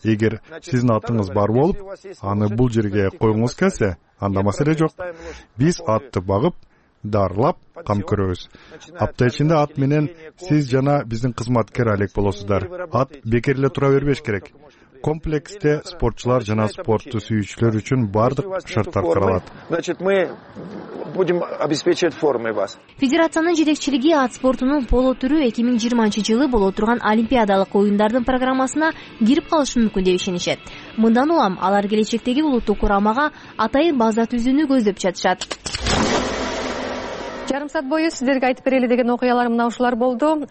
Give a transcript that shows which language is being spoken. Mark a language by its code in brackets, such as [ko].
[ky] Эгер сиздин атыңыз бар болуп, аны бул жерге коюңуз келсе, анда маселе жок. Биз атты багып дарылап, кам көрөбүз. Апта ичинде ат менен сиз жана биздин кызматкер алек болосуздар. Ат бекер эле тура бербеш керек. Комплексте спортчулар жана спортту сүйүүчүлөр үчүн бардык шарттар каралат. [ru] Значит, мы будем обеспечивать формой вас. [ky] Федерациянын жетекчилиги ат спортунун поло түрү 2020-жылы боло турган олимпиадалык оюндардын программасына кирип калышы мүмкүн деп ишенишет. Мындан улам алар келечектеги улуттук курамага атайын база түзүүнү көздөп жатышат. Жарым саат бою сиздерге айтып берели деген окуялар мына ушулар болду.